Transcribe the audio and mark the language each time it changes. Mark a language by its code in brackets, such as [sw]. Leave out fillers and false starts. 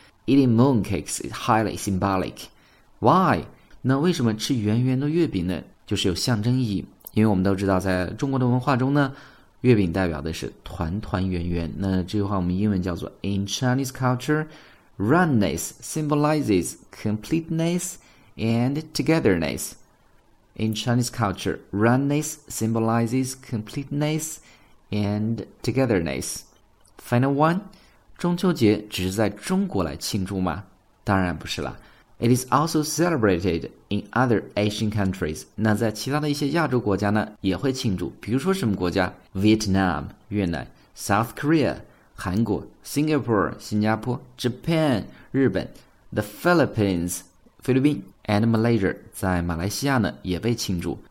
[en] Eating mooncakes is highly symbolic. Why? [zh] 那为什么吃圆圆的月饼呢？就是有象征意义。因为我们都知道在中国的文化中呢，月饼代表的是团团圆圆。那这句话我们英文叫做 [en] In Chinese culture, roundness symbolizes completeness and togetherness. In Chinese culture, roundness symbolizes completenessand togetherness. Final one, [zh] 中秋节只是在中国来庆祝吗？当然不是啦。 [en] It is also celebrated in other Asian countries. [zh] 那在其他的一些亚洲国家呢也会庆祝，比如说什么国家？ Vietnam, 越南， South Korea, 韩国， Singapore, 新加坡， Japan, 日本， The Philippines, 菲律宾， and Malaysia, 在马来西亚呢也被庆祝。